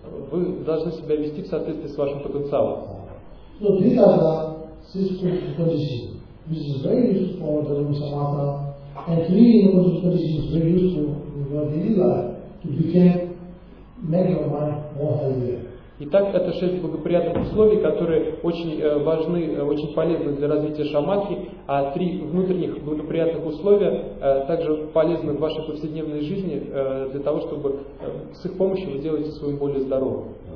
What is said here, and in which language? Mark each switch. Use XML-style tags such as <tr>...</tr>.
<ru>Вы должны себя вести в соответствии с вашим потенциалом.</ru> <en>So these are the six principles. This is very useful for the Samatha, and three principles are very useful in your daily life to become make your mind more healthier.</en> <ru>Итак, это шесть благоприятных условий, которые очень важны, очень полезны для развития шамадхи, а три внутренних благоприятных условия также полезны в вашей повседневной жизни для того, чтобы с их помощью вы делаете свою более здоровым.</ru>